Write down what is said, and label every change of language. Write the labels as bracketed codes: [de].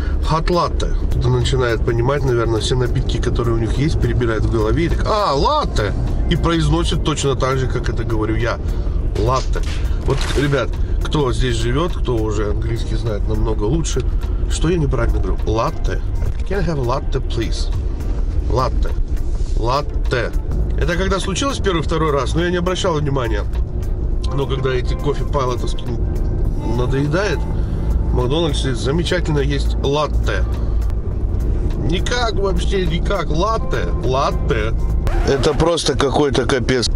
[en] Hot latte. [ru] Кто-то начинает понимать, наверное, все напитки, которые у них есть, перебирает в голове. И так, а, латте! И произносит точно так же, как это говорю я. Латте. Вот, ребят, кто здесь живет, кто уже английский знает намного лучше, что я неправильно говорю? Латте. [en] Can I have latte, please? [ru] Латте. Латте. Это когда случилось первый, второй раз, но я не обращал внимания. Но когда эти кофе палатовски надоедает, в Макдональдсе замечательно есть латте. Никак вообще, никак. Латте, латте. Это просто какой-то капец.